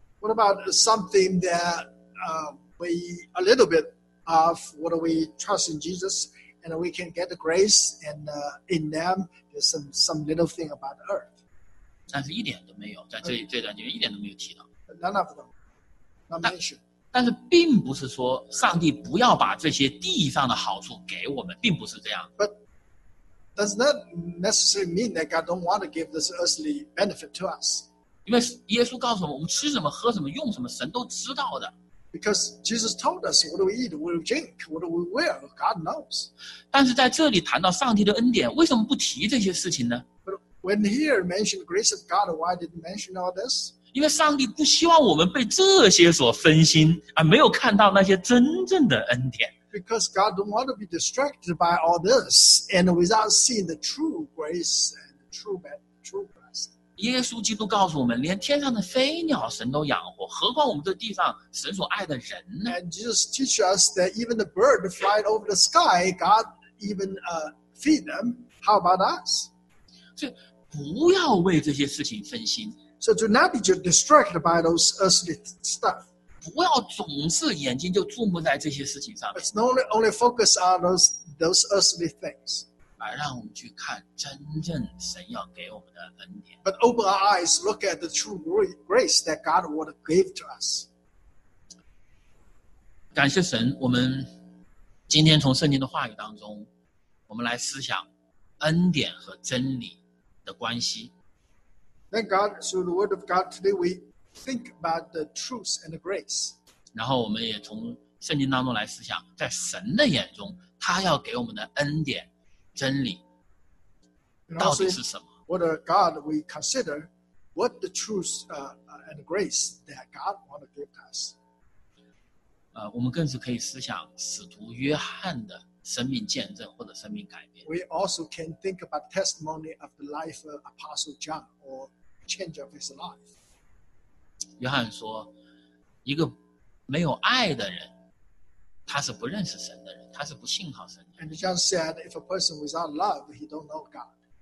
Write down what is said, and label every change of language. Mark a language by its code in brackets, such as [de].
[en] What about something that we a little bit of what we trust in Jesus, and we can get the grace and in them there's some little thing about earth. [zh] 但是一点都没有，在这段经文一点都没有提到。 [en] None of them, not mentioned. [zh] 但是并不是说上帝不要把这些地上的好处给我们，并不是这样。 [en] But does not necessarily mean that God don't want to give this earthly benefit to us. [zh] 因为耶稣告诉我们，我们吃什么、喝什么、用什么，神都知道的。 [en] Because Jesus told us, what do we eat, what do we drink, what do we wear, God knows. [zh] 但是在这里谈到上帝的恩典，为什么不提这些事情呢？ [en] But when here mentioned the grace of God, why did he mention all this? [zh] 因为上帝不希望我们被这些所分心，而没有看到那些真正的恩典。 [en] Because God don't want to be distracted by all this, and without seeing the true grace and the true blessing. [zh] 耶稣基督告诉我们，连天上的飞鸟神都养活，何况我们这地上神所爱的人呢？ [en] And Jesus teach us that even the bird flying over the sky, God even feed them. How about us? [zh] 所以不要为这些事情分心。 [en] So do not be distracted by those earthly stuff. [zh] 不要总是眼睛就注目在这些事情上面。 [en] It's not only focus on those earthly things. [zh] 而让我们去看真正神要给我们的恩典。 [en] But open our eyes, look at the true grace that God would give to us. [zh] 感谢神，我们今天从圣经的话语当中，我们来思想恩典和真理的关系。 [en] Thank God, through the word of God today, we... Think about the truth and the grace. [zh] 然后我们也从圣经当中来思想，在神的眼中，他要给我们的恩典、真理到底是什么？ [en] What a God we consider, what the truth and the grace that God want to give us. [zh] 我们更是可以思想使徒约翰的生命见证或者生命改变。 [en] We also can think about testimony of the life of Apostle John or change of his life. [zh] 约翰说，一个没有爱的人，他是不认识神的人，他是不信靠神的人。 [en] And John said, if a person without love, he don't know God.